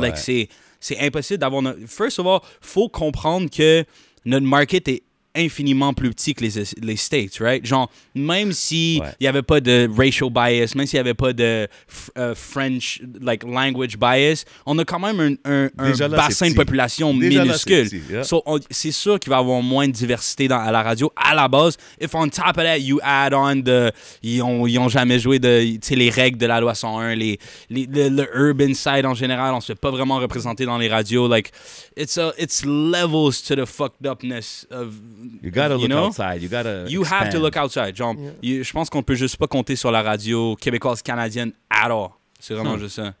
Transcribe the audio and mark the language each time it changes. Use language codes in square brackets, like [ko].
[fr] Like c'est impossible d'avoir notre... [en] First of all, [fr] faut comprendre que notre market est infiniment plus petit que les States, right? Genre, même s'il n'y avait pas de [en] racial bias, [fr] même s'il n'y avait pas de French, like, language bias, on a quand même un là, bassin de population minuscule. Là, c'est, so, c'est sûr qu'il va y avoir moins de diversité à la radio, à la base. [en] If on top of that, you add on the... [fr] Ils ont jamais joué de... Tu sais, les règles de la loi 101, le [en] urban side [fr] en général, on ne se fait pas vraiment représenter dans les radios. [en] Like, it's levels to the fucked upness of... You gotta look outside. You have to look outside. [fr] Genre, je pense qu'on peut juste pas compter sur la radio québécoise canadienne [en] at all. [fr] C'est vraiment juste ça.